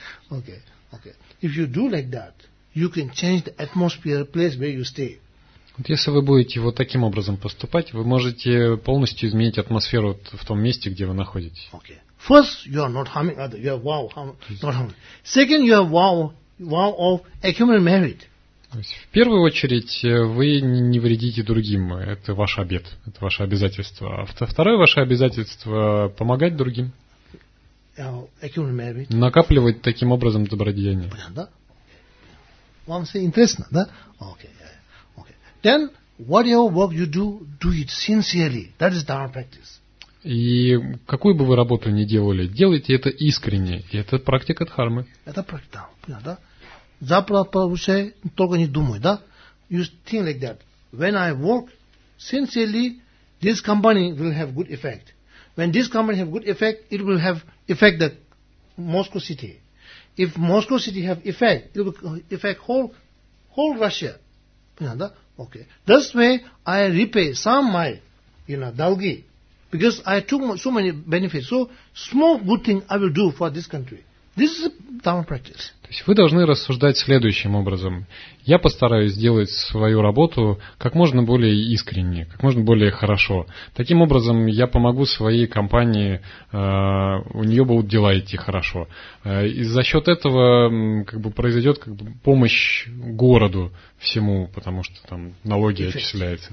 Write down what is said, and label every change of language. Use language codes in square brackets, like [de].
[en] Okay, okay. If you do like that, you can change the atmosphere place where you stay. [ru] Вот если вы будете вот таким образом поступать, вы можете полностью изменить атмосферу в том месте, где вы находитесь. [en] Okay. First, you are not harming others. You are wow, not harming. Second, you are wow of accumulated merit. [ru] В первую очередь вы не вредите другим. Это ваш обет, это ваше обязательство. А второе ваше обязательство помогать другим. Накапливать таким образом добродеяние. Понятно, да? Вам все интересно, да? Okay, yeah, okay. [en] Then, whatever work you do, do it sincerely. That is dharma practice. [ru] И какую бы вы работу ни делали, делайте это искренне. И это практика дхармы. Это практика, понятно, да? Запрос получай, только не думай, да? [en] You think like that. When I work sincerely, this company will have good effect. When this company have good effect, it will have effect the Moscow city. If Moscow city have effect, it will affect whole Russia. [ru] Понятно? [en] Okay. This way, I repay some my, you know, долги. Because I took so many benefits. So, small good thing I will do for this country. This is a dharma practice. [ru] То есть вы должны рассуждать следующим образом. Я постараюсь сделать свою работу как можно более искренне, как можно более хорошо. Таким образом, я помогу своей компании, у нее будут дела идти хорошо. И за счет этого как бы, произойдет как бы, помощь городу всему, потому что там налоги отчисляются.